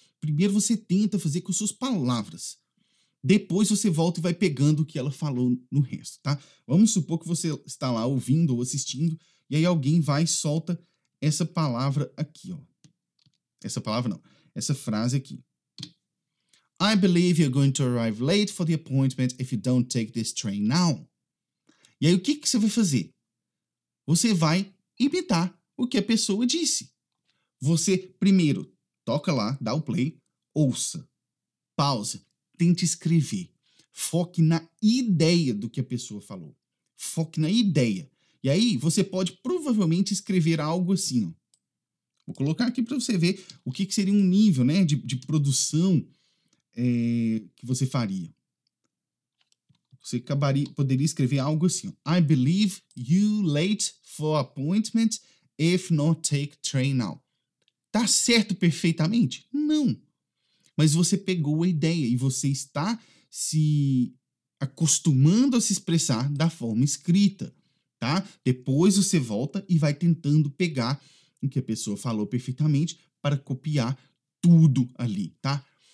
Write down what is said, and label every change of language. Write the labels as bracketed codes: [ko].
[pt] Primeiro você tenta fazer com suas palavras, depois você volta e vai pegando o que ela falou no resto, tá? Vamos supor que você está lá ouvindo ou assistindo, e aí alguém vai e solta essa palavra aqui, ó. Essa palavra não, essa frase aqui. [en] I believe you're going to arrive late for the appointment if you don't take this train now. [pt] E aí, o que você vai fazer? Você vai imitar o que a pessoa disse. Você, primeiro, toca lá, dá o play, ouça, pausa, tente escrever. Foque na ideia do que a pessoa falou. Foque na ideia. E aí, você pode provavelmente escrever algo assim. Ó. Vou colocar aqui para você ver o que seria um nível, né, de produção que você faria. Você poderia escrever algo assim. Ó. [en] I believe you late for appointment if not take train now. [pt] Tá certo perfeitamente? Não. Mas você pegou a ideia e você está se acostumando a se expressar da forma escrita, tá? Depois você volta e vai tentando pegar o que a pessoa falou perfeitamente para copiar tudo ali, tá?